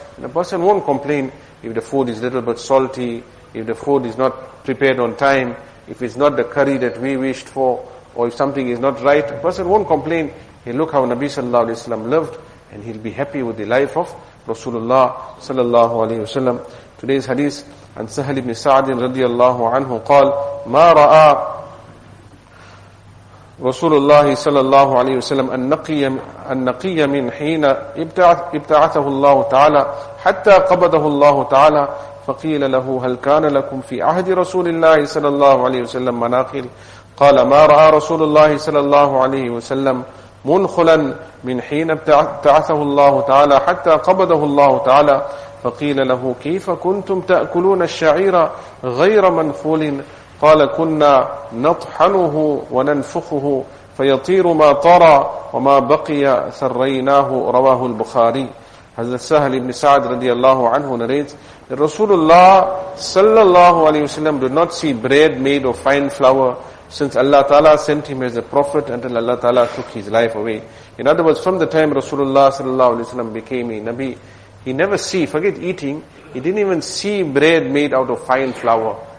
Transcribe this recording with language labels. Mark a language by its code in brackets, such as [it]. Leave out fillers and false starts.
[en] And a person won't complain if the food is a little bit salty, if the food is not prepared on time, if it's not the curry that we wished for, or if something is not right. A person won't complain. He'll look how Nabi sallallahu alaihi wasallam lived, and he'll be happy with the life of Rasulullah sallallahu alaihi wasallam. Today's hadith, [ar] عن سهل بن سعد رضي الله عنه قال ما رأى رسول الله صلى الله عليه وسلم النقي من حين ابتعثه الله تعالى حتى قبضه الله تعالى فقيل له هل كان لكم في عهد رسول الله صلى الله عليه وسلم مناخل قال ما رأى رسول الله صلى الله عليه وسلم منخلا من حين ابتعثه الله تعالى حتى قبضه الله تعالى فقيل له كيف كنتم تأكلون الشعير غير منخول قال كنا نطحنه وننفخه فيطير ما طار وما بقي ثريناه رواه البخاري. [en] حضرت سهل بن سعد رضي الله عنه narrates that Rasulullah sallallahu alayhi wa sallam did not see bread made of fine flour since Allah Ta'ala sent him as a prophet until Allah Ta'ala took his life away. In other words, from the time Rasulullah sallallahu alayhi wa sallam became a Nabi, he never see, forget eating, he didn't even see bread made out of fine flour.